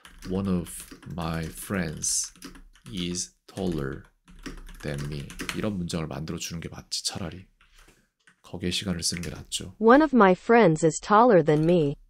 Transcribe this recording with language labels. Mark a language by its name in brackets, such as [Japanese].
[English] One of my friends is taller than me. [Korean] 이런 문장을 만들어 주는 게 맞지, 차라리. 거기에 시간을 쓰는 게 낫죠. [English] One of my friends is taller than me.